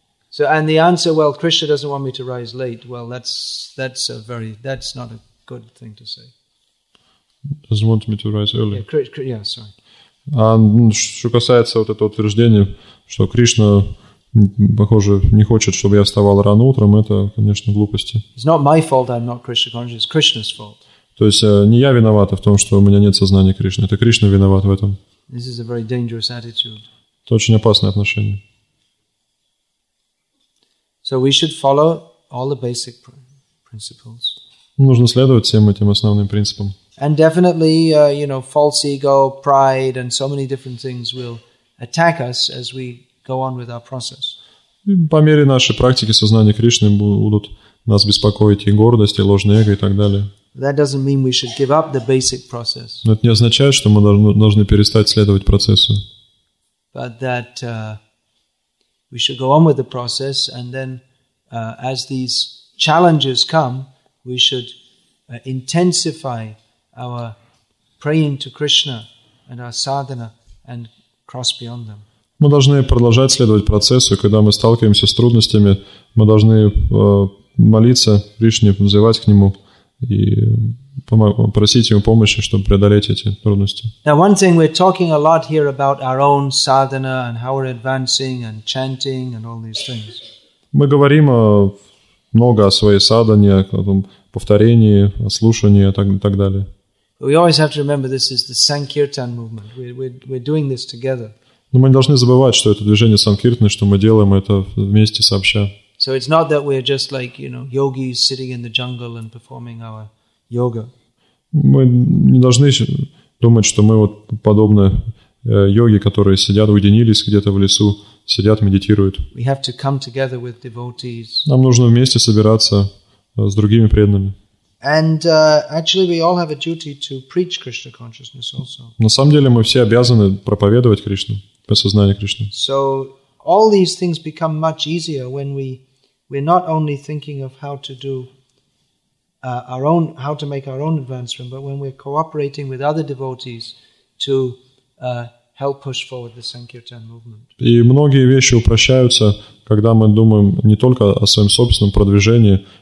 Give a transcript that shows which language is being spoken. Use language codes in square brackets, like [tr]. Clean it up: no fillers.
[en] So and the answer, well, Krishna doesn't want me to rise late. Well, that's not a good thing to say. Doesn't want me to rise early. Yeah, sorry. [ru] А что касается вот этого утверждения, что Кришна, похоже, не хочет, чтобы я вставал рано утром, это, конечно, глупости. [en] It's not my fault I'm not Krishna conscious. It's Krishna's fault. [ru] То есть не я виновата в том, что у меня нет сознания Кришны. Это Кришна виноват в этом. [en] This is a very dangerous attitude. [ru] Это очень опасное отношение. [en] So we should follow all the basic principles. [ru] Нужно следовать всем этим основным принципам. [en] And definitely, you know, false ego, pride, and so many different things will attack us as we go on with our process. [ru] И по мере нашей практики сознания Кришны будут нас беспокоить и гордость, и ложное эго, и так далее. [en] That doesn't mean we should give up the basic process. [ru] Но это не означает, что мы должны перестать следовать процессу. [en] But that we should go on with the process, and then as these challenges come, we should intensify our praying to Krishna and our sadhana and cross beyond them. [ru] Мы должны продолжать следовать процессу, когда мы сталкиваемся с трудностями, мы должны молиться Кришне, взывать к Нему и просить Ему помощи, чтобы преодолеть эти трудности. [en] Now one thing, we're talking a lot here about our own sadhana and how we're advancing and chanting and all these things. [ru] Мы говорим много о своей садхане, о том повторении, о слушании и так далее. [en] But we always have to remember this is the Sankirtan movement. We're doing this together. [ru] Но мы не должны забывать, что это движение санкиртны, что мы делаем это вместе, сообща. [en] So it's not that we're just like, you know, yogis sitting in the jungle and performing our yoga. [ru] Мы не должны думать, что мы вот подобно йоги, которые сидят, уединились где-то в лесу, сидят, медитируют. [en] We have to come together with devotees. [ru] Нам нужно вместе собираться с другими преданными. [en] And actually, we all have a duty to preach Krishna consciousness also. [ru] На самом деле, мы все обязаны проповедовать Кришну, осознание Кришны. [en] So all these things become much easier when we're not only thinking of how to do our own, how to make our own advancement, but when we're cooperating with other devotees to help push forward the Sankirtan movement. [ru] И многие вещи упрощаются, когда мы думаем не только о своем собственном продвижении.